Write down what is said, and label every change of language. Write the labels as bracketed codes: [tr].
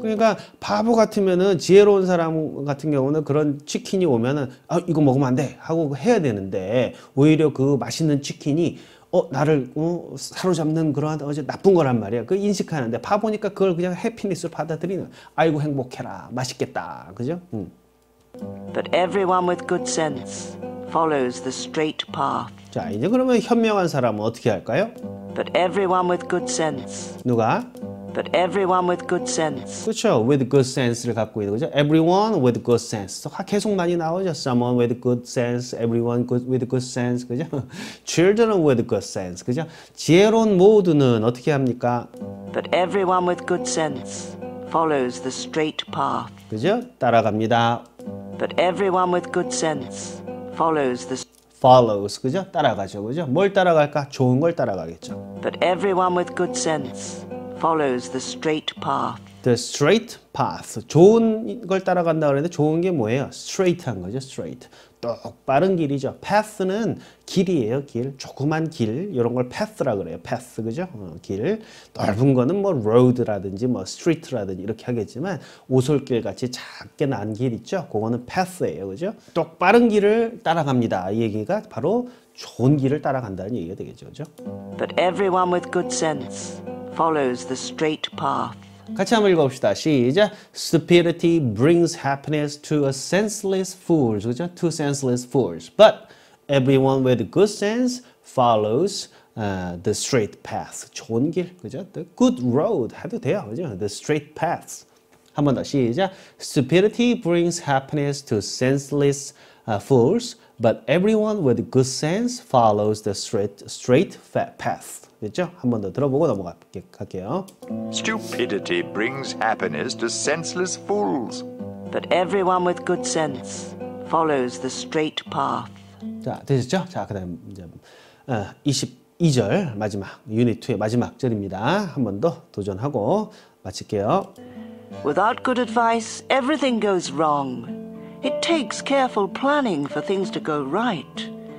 [ko] 그러니까 바보 같으면은 지혜로운 사람 같은 경우는 그런 치킨이 오면은 아 이거 먹으면 안 돼 하고 해야 되는데 오히려 그 맛있는 치킨이 나를 사로잡는 그런 나쁜 거란 말이야. 그 인식하는데 바보니까 그걸 그냥 해피니스로 받아들이는 아이고 행복해라 맛있겠다 그죠? [en] But everyone with good sense follows the straight path. [ko] 자 이제 그러면 현명한 사람은 어떻게 할까요? [en] But everyone with good sense. [ko] 누가? [en] But everyone with good sense. [ko] 그렇죠. With good sense를 갖고 있는 거죠. [en] Everyone with good sense. [ko] 계속 많이 나오죠. [en] Someone with good sense. Everyone with good sense. [ko] 그죠? [en] Children with good sense. [ko] 그죠? 지혜로운 모두는 어떻게 합니까? [en] But everyone with good sense follows the straight path. [ko] 그죠? 따라갑니다. [en] But everyone with good sense follows the [ko] follows. 그죠? 따라가죠. 그죠? 뭘 따라갈까? 좋은 걸 따라가겠죠. [en] But everyone with good sense follows the straight path. The straight path. [ko] 좋은 걸 따라간다 그랬는데 좋은 게 뭐예요? Straight한 거죠. Straight. 똑바른 길이죠. Path는 길이에요. 길. 조그만 길. 이런 걸 path라 그래요. Path. 그죠? 길. 넓은 거는 뭐 road라든지 뭐 street라든지 이렇게 하겠지만 오솔길 같이 작게 난 길 있죠? 그거는 path예요. 그죠? 똑바른 길을 따라갑니다. 이 얘기가 바로 좋은 길을 따라간다는 얘기가 되겠죠. 그죠? [en] But everyone with good sense follows the straight path. [ko] 같이 한번 읽어봅시다. 시작. [en] Stupidity brings happiness to a senseless fool. 그죠? To senseless fools. But everyone with good sense follows the straight path. 좋은 길. 그죠? The good road. 해도 돼요. 그죠? The straight path. 한번 더. 시작. Stupidity brings happiness to senseless fools. But everyone with good sense follows the straight path. [ko] 됐죠? 한 번 더 들어보고 넘어갈게요. [en] Stupidity brings happiness to senseless fools. But everyone with good sense follows the straight path. [ko] 자, 됐죠? 자, 그다음 이제 22절 마지막 유닛 2의 마지막 절입니다. 한 번 더 도전하고 마칠게요. [en] Without good advice, everything goes wrong. It takes careful planning for things to go right.